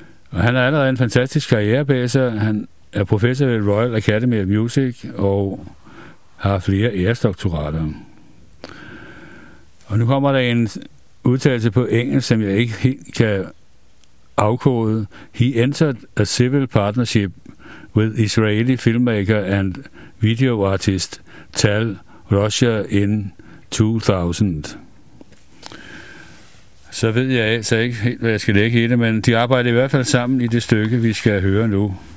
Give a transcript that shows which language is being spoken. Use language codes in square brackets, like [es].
[da] Og han har allerede en fantastisk karriere bag sig. Han er professor ved Royal Academy of Music og har flere æresdoktorater. Og nu kommer der en udtalelse på engelsk, som jeg ikke helt kan afkode. [en] He entered a civil partnership with Israeli filmmaker and video artist Tal Roscher in 2000. [da] Så ved jeg altså ikke helt, hvad jeg skal lægge i det, men de arbejder i hvert fald sammen i det stykke, vi skal høre nu.